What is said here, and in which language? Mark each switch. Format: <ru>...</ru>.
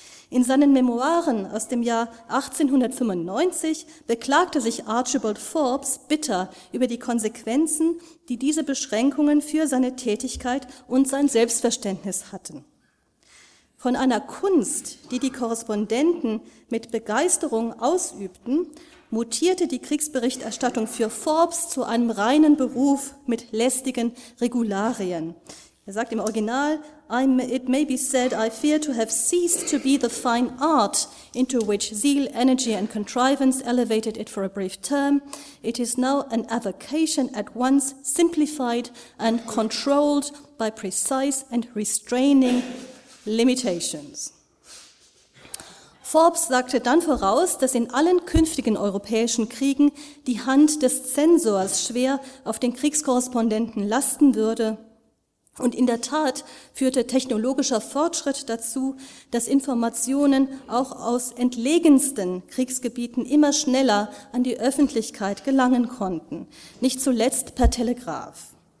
<de>In seinen Memoiren aus dem Jahr 1895 beklagte sich Archibald Forbes bitter über die Konsequenzen, die diese Beschränkungen für seine Tätigkeit und sein Selbstverständnis hatten. Von einer Kunst, die die Korrespondenten mit Begeisterung ausübten, mutierte die Kriegsberichterstattung für Forbes zu einem reinen Beruf mit lästigen Regularien. Er sagt im Original:</de> <en>"It may be said, I fear to have ceased to be the fine art into which zeal, energy and contrivance elevated it for a brief term. It is now an avocation at once simplified and controlled by precise and restraining limitations."</en> <de>Forbes sagte dann voraus, dass in allen künftigen europäischen Kriegen die Hand des Zensors schwer auf den Kriegskorrespondenten lasten würde. Und in der Tat führte technologischer Fortschritt dazu, dass Informationen auch aus entlegensten Kriegsgebieten immer schneller an die Öffentlichkeit gelangen konnten, nicht zuletzt per Telegraph.</de>